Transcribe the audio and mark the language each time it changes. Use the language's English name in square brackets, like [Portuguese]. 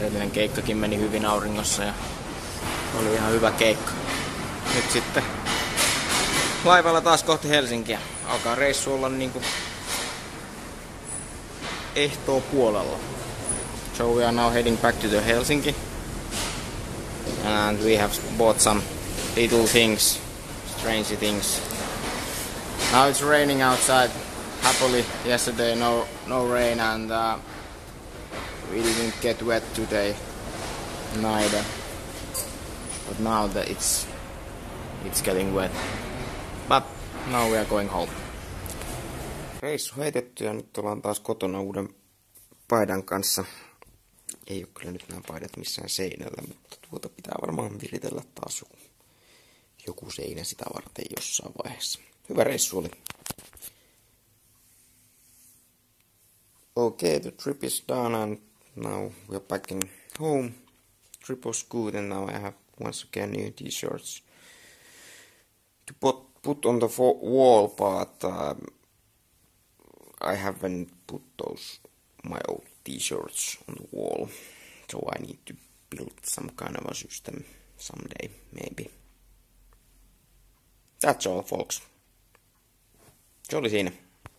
[Finnish] Edellinen keikkakin meni hyvin auringossa ja oli ihan hyvä keikka. Nyt sitten laivalla taas kohti Helsinkiä. Alkaa reissu olla niinku ehtoo puolella. [English] So we are now heading back to the Helsinki. And we have bought some little things, strange things. Now it's raining outside. Happily yesterday no rain and we didn't get wet today neither. But now that it's getting wet. But now we are going home. [Finnish] Reissu heitetty ja nyt ollaan taas kotona uuden paidan kanssa. Ei oo kyllä nyt nämä paidat missään seinällä, mutta tuota pitää varmaan viritellä taas joku seinä sitä varten jossain vaiheessa. Hyvä reissu oli. [English] Okay, the trip is done and now we are back in home. Trip was good and now I have once again new t-shirts to put on the wall, but I haven't put those my old t-shirts on the wall, so I need to build some kind of a system someday, maybe. That's all, folks. [Finnish] Se oli siinä.